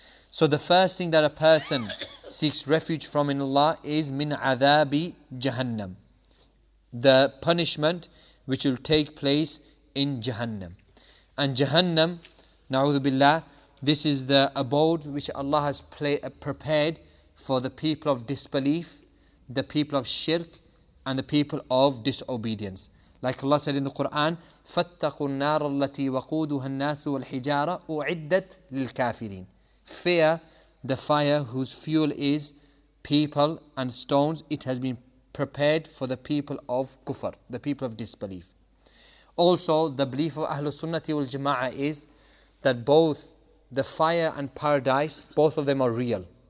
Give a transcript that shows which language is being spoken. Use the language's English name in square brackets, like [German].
[English] So the first thing that a person seeks refuge from in Allah is min azabi jahannam, the punishment which will take place in Jahannam. And Jahannam, na'udhu billah, this is the abode which Allah has prepared for the people of disbelief, the people of shirk, and the people of disobedience. [Arabic] Like Allah said in the Quran, فَاتَّقُوا النَّارَ الَّتِي وَقُودُهَا النَّاسُ وَالْحِجَارَةُ أُعِدَّتْ لِلْكَافِرِينَ. [English] Fear the fire whose fuel is people and stones. It has been prepared for the people of kufr, the people of disbelief. Also, the belief of Ahlul Sunnati wal Jama'ah is that both the fire and paradise, both of them are real.